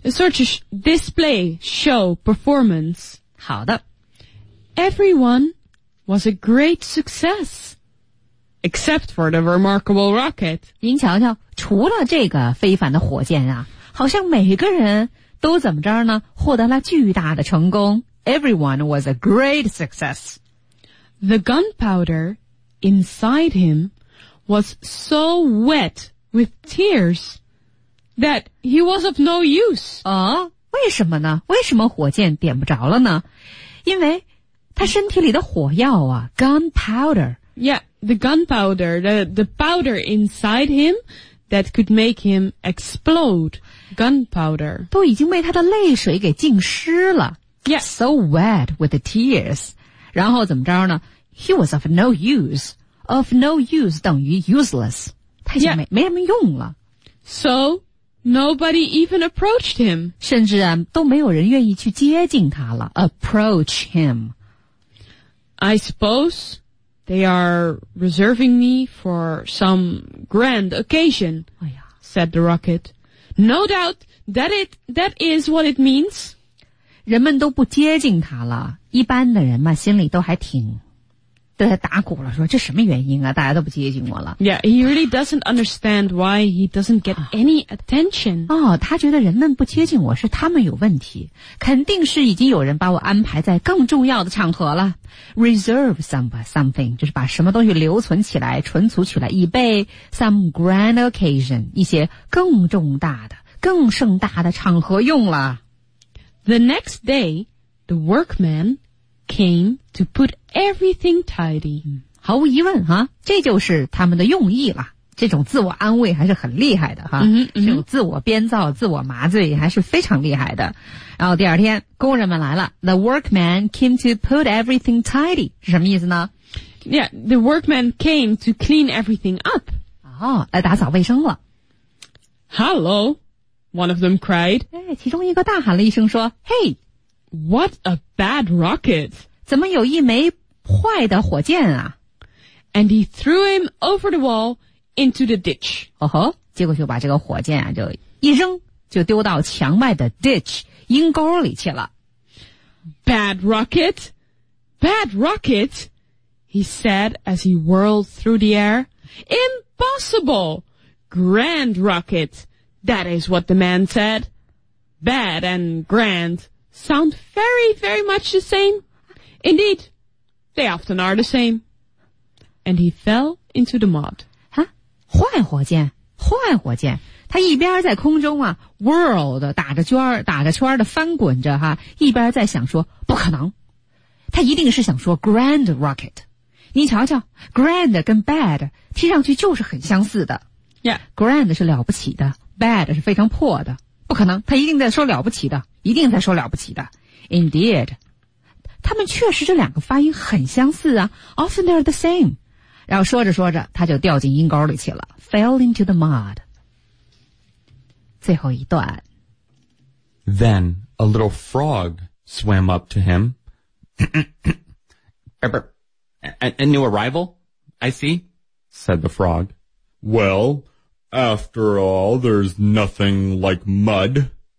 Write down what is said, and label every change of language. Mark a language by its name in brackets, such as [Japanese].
[English] Yeah, such a display, show, performance. [Chinese] 好的。 [English] Everyone was a great success. Except for the remarkable rocket. [Chinese] 您瞧瞧，除了这个非凡的火箭啊，好像每个人都怎么着呢，获得了巨大的成功。 [English] Everyone was a great success. The gunpowder inside him was so wet with tears that he was of no use. [Chinese] 啊，为什么呢？为什么火箭点不着了呢？因为他身体里的火药啊 ,gunpowder. [English] Yeah, the gunpowder, the powder inside him that could make him explode. Gunpowder. [Chinese] 都已经被他的泪水给浸湿了。 [English] Yeah. So wet with the tears. [Chinese] 然后怎么着呢 [English] ?He was of no use. Of no use 等于 useless. [Chinese] 他已经 没什么用了。 [English] So, nobody even approached him. [Chinese] 甚至啊都没有人愿意去接近他了。 [English] Approach him. I suppose they are reserving me for some grand occasion,、哎、呀 said the rocket. No doubt that is what it means. [Chinese] 人们都不接近他了，一般的人嘛，心里都还挺都在打鼓了，说这什么原因啊，大家都不接近我了。 [English] Yeah, he really doesn't understand why he doesn't get any attention. [Chinese] 哦，他觉得人们不接近我是他们有问题，肯定是已经有人把我安排在更重要的场合了。 Reserve something, 就是把什么东西留存起来，存储起来，以备 [English] some grand occasion, [Chinese] 一些更重大的，更盛大的场合用了。 [English] The next day, the workman came to put everything tidy. [Chinese] 毫无疑问哈，这就是他们的用意了。这种自我安慰还是很厉害的哈，这种自我编造、自我麻醉还是非常厉害的。然后第二天，工人们来了。 [English] The workman came to put everything tidy. [Chinese] 是什么意思呢？ [English] Yeah, the workman came to clean everything up. [Chinese] 哦，来打扫卫生了。 [English] Hello. One of them cried. [Chinese] 其中一个大喊了一声说 Hey! [English] What a bad rocket! [Chinese] 怎么有一枚坏的火箭啊 [English] And he threw him over the wall into the ditch. [Chinese] 哦吼，结果就把这个火箭啊就一扔就丢到墙外的 ditch, 阴沟里去了。 [English] Bad rocket! Bad rocket! He said as he whirled through the air. Impossible! Grand rocket! That is what the man said. Bad and grand sound very, very much the same. Indeed, they often are the same. And he fell into the mud. [Chinese] 啊，坏火箭，坏火箭。他一边在空中啊 ,whirl 的打着圈打着圈的翻滚着哈，一边在想说不可能。他一定是想说 [English] grand rocket. [Chinese] 你瞧瞧 ,grand 跟 bad, 听上去就是很相似的。 [English] Yeah. [Chinese] Grand 是了不起的。Bad 是非常破的，不可能，他一定在说了不起的，一定在说了不起的。 Indeed, 他们确实这两个发音很相似啊 , [English] often they're the same. [Chinese] 然后说着说着，他就掉进阴沟里去了 , [English] fell into the mud. [Chinese] 最后一段。 [English] Then, a little frog swam up to him. a new arrival, I see, said the frog. Well... After all, there's nothing like mud.